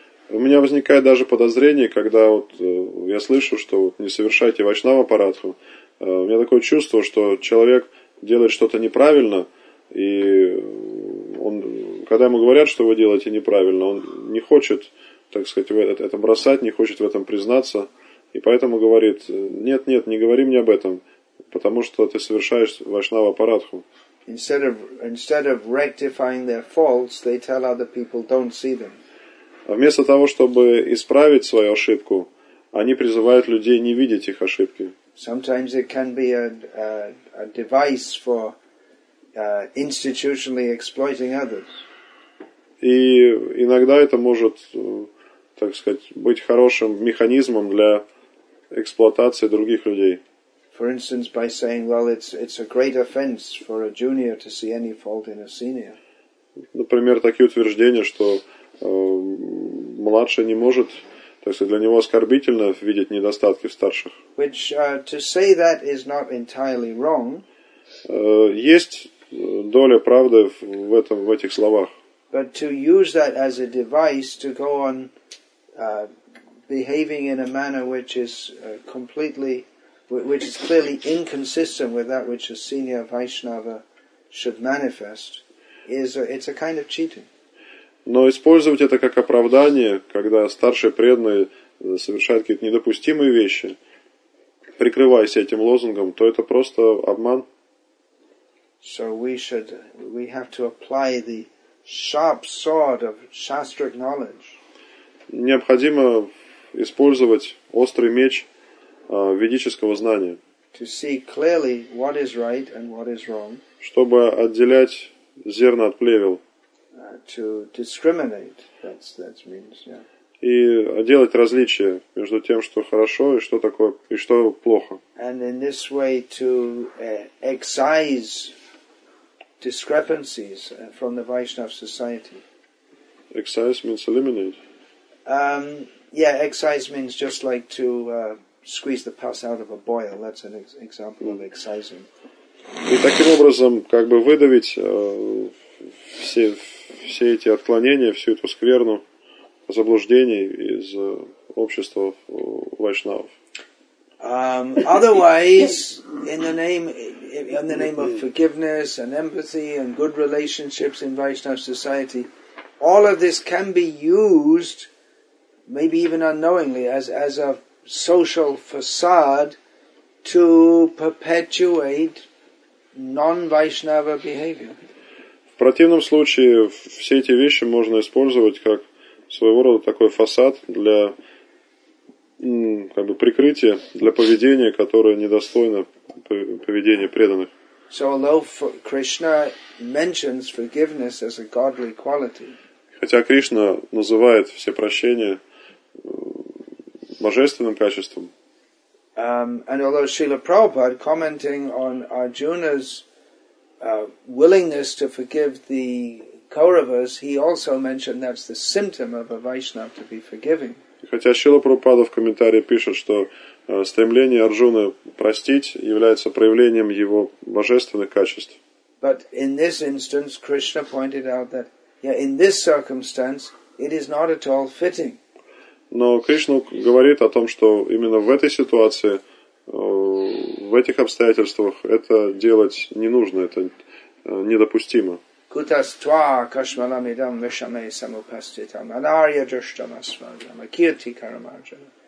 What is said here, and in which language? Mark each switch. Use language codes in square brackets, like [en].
[ru] У меня возникает даже подозрение, когда вот я слышу, что вот не совершайте Вайшнава парадху. У меня такое чувство, что человек делает что-то неправильно, и он, когда ему говорят, что вы делаете неправильно, он не хочет, так сказать, это бросать, не хочет в этом признаться, и поэтому говорит, нет, не говори мне об этом, потому что ты совершаешь Вайшнава парадху. [en] Instead of rectifying their faults, they tell other people, don't see them. [ru] Вместо того, чтобы исправить свою ошибку, они призывают людей не видеть их ошибки. [en] Sometimes it can be a device for institutionally exploiting others. [ru] И иногда это может, так сказать, быть хорошим механизмом для эксплуатации других людей. [en] For instance, by saying, well, it's a great offense for a junior to see any fault in a senior. [ru] Например, такие утверждения, что младший не может, так сказать, для него оскорбительно видеть недостатки в старших. [en] Which, to say that is not entirely wrong. [ru] Есть доля правды в этом, в этих словах. [en] But to use that as a device to go on behaving in a manner which is completely, which is clearly inconsistent with that which a senior Vaishnava should manifest, is it's a kind of cheating. [ru] Но использовать это как оправдание, когда старший преданный совершает какие-то недопустимые вещи, прикрываясь этим лозунгом, то это просто обман. [en] So we have to apply the sharp sword of shastric knowledge. [ru] Необходимо использовать острый меч ведического знания. [en] To see clearly what is right and what is wrong. [ru] Чтобы отделять зерна от плевел. [en] To discriminate, that means, yeah. [ru] И делать различия между тем, что хорошо и что такое и что плохо. [en] And in this way to excise discrepancies from the Vaishnava society. Excise means eliminate. Excise means just like to squeeze the pus out of a boil. That's an example of excising. [ru] И таким образом, как бы выдавить все эти отклонения, всю эту скверну, заблуждений из общества вайшнавов. [en] Otherwise, in the name of forgiveness and empathy and good relationships in Vaishnav society, all of this can be used, maybe even unknowingly, as a social facade to perpetuate non-Vaishnava behavior. [ru] В противном случае все эти вещи можно использовать как своего рода такой фасад для как бы прикрытия, для поведения, которое недостойно поведения преданных. [en] So although Krishna mentions forgiveness as a godly quality, [ru] хотя Кришна называет все прощения божественным качеством, [en] and although Srila Prabhupada commenting on Arjuna's willingness to forgive the Kauravas, he also mentioned that's the symptom of a Vaishnava to be forgiving. [ru] Хотя Шрила Прабхупада в комментарии пишет, что стремление Арджуны простить является проявлением его божественных качеств. [en] But in this instance, Krishna pointed out that in this circumstance, it is not at all fitting. [ru] Но Кришна говорит о том, что именно в этой ситуации, в этих обстоятельствах это делать не нужно, это недопустимо. [sa] Кутаства кашмалам идам вишаме самупаститам анарья джаштам асмаджам акирти карамарджана.